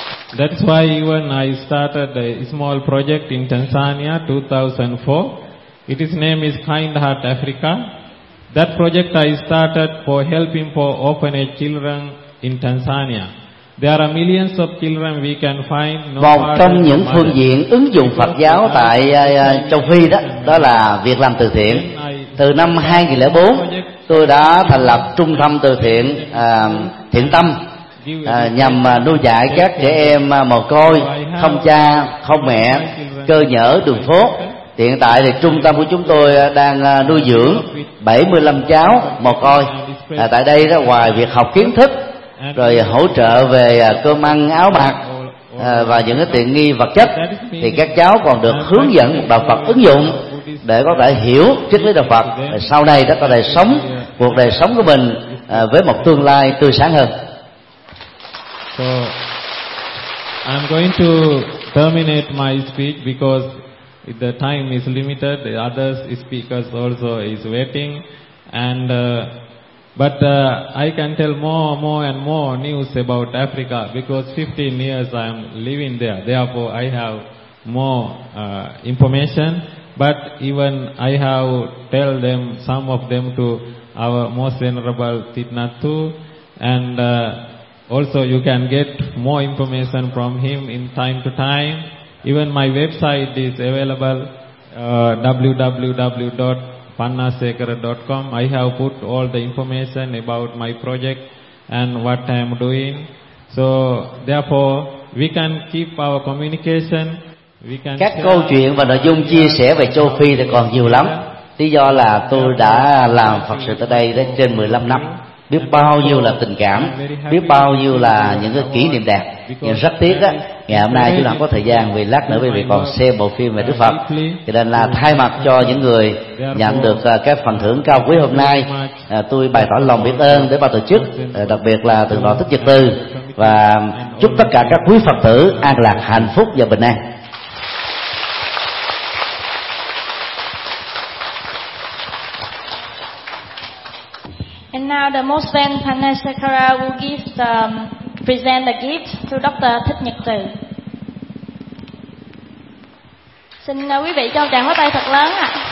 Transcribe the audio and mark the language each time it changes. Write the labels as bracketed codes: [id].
[en] That's why when I started a small project in Tanzania 2004, its name is Kind Heart Africa. That project I started for helping for orphanage children in Tanzania. There are millions of children we can find. [vi] Một trong những phương diện ứng dụng Phật giáo tại Châu Phi đó, đó là việc làm từ thiện. Từ năm 2004, tôi đã thành lập trung tâm từ thiện Thiện Tâm nhằm nuôi dạy các trẻ em mồ côi, không cha, không mẹ, cơ nhỡ đường phố. Hiện tại thì trung tâm của chúng tôi đang nuôi dưỡng 75 cháu mồ côi. Tại đây đó, ngoài việc học kiến thức, rồi hỗ trợ về cơm ăn áo mặc và những cái tiện nghi vật chất, thì các cháu còn được hướng dẫn một đạo Phật ứng dụng để có thể hiểu triết lý đạo Phật, sau này đó có thể sống cuộc đời sống của mình với một tương lai tươi sáng hơn. [en] So I'm going to terminate my speech because the time is limited, the other speakers also is waiting, and But I can tell more and more news about Africa because 15 years I am living there. Therefore, I have more information. But even I have tell them, some of them, to our most venerable Thich Nhat Hanh, and also you can get more information from him in time to time. Even my website is available, www.pannasekara.com. I have put all the information about my project and what I am doing. So therefore we can keep our communication. We can [vi] các câu chuyện và nội dung chia sẻ về Châu Phi thì còn nhiều lắm. Lý do là tôi đã làm Phật sự tới đây đã trên 15 năm. biết bao nhiêu là tình cảm, biết bao nhiêu là những cái kỷ niệm đẹp. Nhưng rất tiếc á, ngày hôm nay chúng ta có thời gian, vì lát nữa quý vị còn xem bộ phim về Đức Phật. Cho nên là thay mặt cho những người nhận được cái phần thưởng cao quý hôm nay, tôi bày tỏ lòng biết ơn đến ban tổ chức, đặc biệt là Thượng tọa Thích Nhật Từ, và chúc tất cả các quý Phật tử an lạc, hạnh phúc và bình an. [en] And now the most famous Panasakara will give the, present the gift to Dr. Thích Nhật Từ. [vi] Xin quý vị cho tràng pháo tay thật lớn ạ.